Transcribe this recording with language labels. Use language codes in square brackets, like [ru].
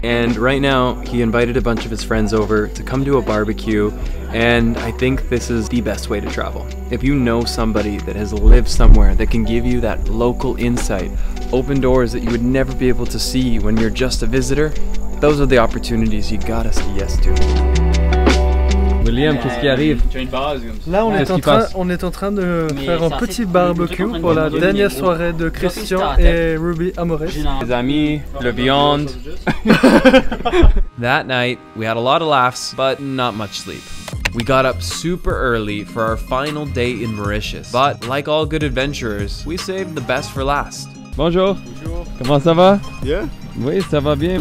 [en] And right now, he invited a bunch of his friends over to come to a barbecue. And I think this is the best way to travel. If you know somebody that has lived somewhere that can give you that local insight, open doors that you would never be able to see when you're just a visitor, those are the opportunities you gotta say yes to. [fr] William, qu'est-ce qui arrive? Là, on est en train de faire un petit barbecue pour la dernière soirée de Christian et Ruby à Maurice. Les amis, le viande. [en] That night, we had a lot of laughs, but not much sleep. We got up super early for our final day in Mauritius, but like all good adventurers, we saved the best for last. [fr] Bonjour. Comment ça va? [en] Yeah. [fr] Oui, ça va bien.